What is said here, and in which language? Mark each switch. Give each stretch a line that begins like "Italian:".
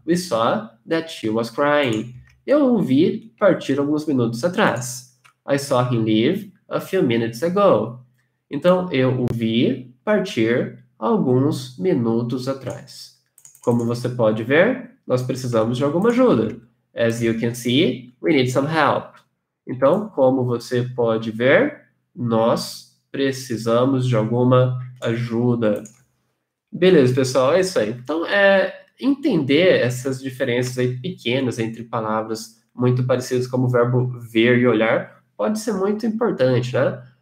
English: We saw that she was crying.
Portuguese: Eu o vi partir alguns minutos atrás.
English: I saw him leave a few minutes ago.
Portuguese: Então, eu o vi partir alguns minutos atrás. Como você pode ver, nós precisamos de alguma ajuda.
English: As you can see, we need some help.
Portuguese: Então, como você pode ver, nós precisamos de alguma ajuda. Beleza, pessoal, é isso aí. Então, entender essas diferenças aí pequenas entre palavras muito parecidas como o verbo ver e olhar pode ser muito importante, né?